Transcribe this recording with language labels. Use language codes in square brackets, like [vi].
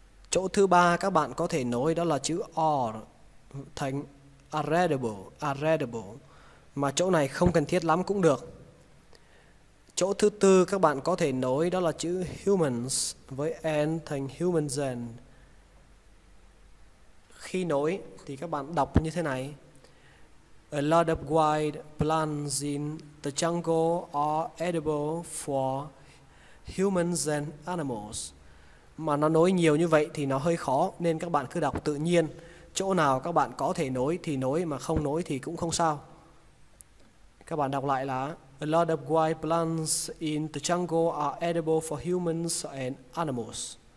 [vi] Chỗ thứ ba các bạn có thể nối đó là chữ are thành arable, arable. Mà chỗ này không cần thiết lắm cũng được. Chỗ thứ tư các bạn có thể nối đó là chữ humans với and thành humans. Khi nối thì các bạn đọc như thế này. [en] A lot of wild plants in the jungle are edible for humans and animals. [vi] Mà nó nối nhiều như vậy thì nó hơi khó nên các bạn cứ đọc tự nhiên. Chỗ nào các bạn có thể nối thì nối mà không nối thì cũng không sao. Các bạn đọc lại là [en] A lot of wild plants in the jungle are edible for humans and animals.